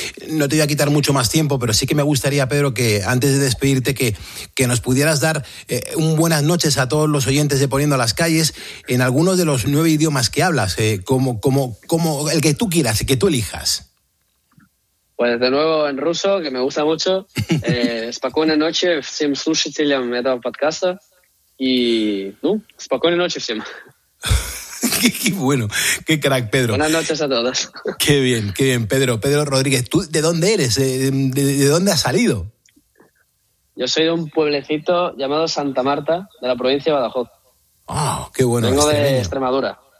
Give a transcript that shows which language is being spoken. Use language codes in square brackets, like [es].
[es] No te voy a quitar mucho más tiempo, pero sí que me gustaría, Pedro, que antes de despedirte, que nos pudieras dar un buenas noches a todos los oyentes de Poniendo las Calles en algunos de los 9 idiomas que hablas, como el que tú quieras, el que tú elijas. Pues de nuevo en ruso, que me gusta mucho. [ru] Спокойной ночи всем слушателям этого подкаста. Y, ну, спокойной ночи всем. [es] Qué bueno, qué crack, Pedro. Buenas noches a todos. Qué bien, Pedro. Pedro Rodríguez, ¿tú de dónde eres? ¿De dónde has salido? Yo soy de un pueblecito llamado Santa Marta, de la provincia de Badajoz. ¡Ah, oh, qué bueno! Vengo extremeño. De Extremadura.